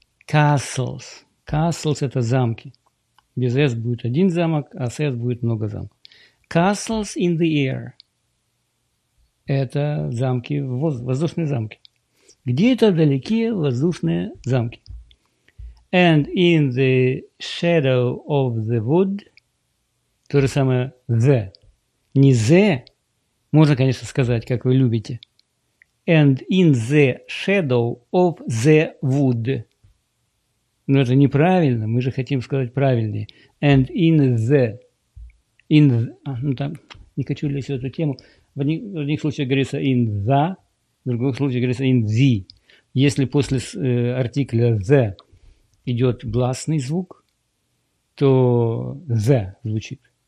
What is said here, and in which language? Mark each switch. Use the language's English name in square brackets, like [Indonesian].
[English] Castles. [Russian] Castles – это замки. Без S будет один замок, а с S будет много замков. [English] Castles in the air. [Russian] Это замки, воздушные замки. Где-то вдалеке воздушные замки. [English] And in the shadow of the wood, [Russian] то же самое [English] the. [Russian] Не the, можно, конечно, сказать, как вы любите. [English] And in the shadow of the wood. [Russian] Но это неправильно, мы же хотим сказать правильнее. [English] And in the, [Russian] ну там, Не хочу лезть в эту тему. В одних случаях говорится in the, в других случаях говорится in the. Если после артикля the идет гласный звук, то the звучит.